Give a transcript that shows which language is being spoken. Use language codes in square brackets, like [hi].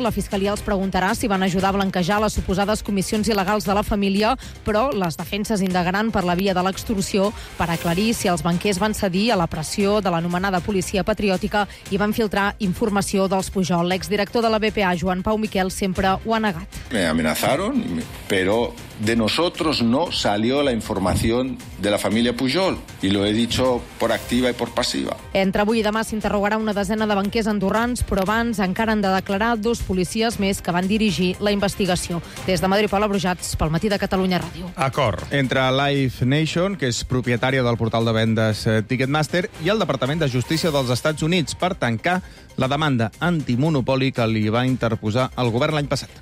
[ca] La fiscalia els preguntarà si van ajudar a blanquejar les suposades comissions il·legals de la família, però les defenses indagaran per la via de l'extorsió per aclarir si els banquers van cedir a la pressió de l'anomenada policia patriòtica i van filtrar informació dels Pujol. L'exdirector de la BPA, Joan Pau Miquel, sempre ho ha negat. [es] Me amenazaron, pero de nosotros no salió la información de la familia Pujol, y lo he dicho por activa y por pasiva. [ca] Entre avui i demà s'interrogarà una desena de banquers andorrans, però abans encara han de declarar dos policies més que van dirigir la investigació. Des de Madrid, Paula Brujats, pel matí de Catalunya Ràdio. Acord. Entre Live Nation, que és propietària del portal de vendes Ticketmaster, i el Departament de Justícia dels Estats Units per tancar la demanda antimonopoli que li va interposar el govern l'any passat.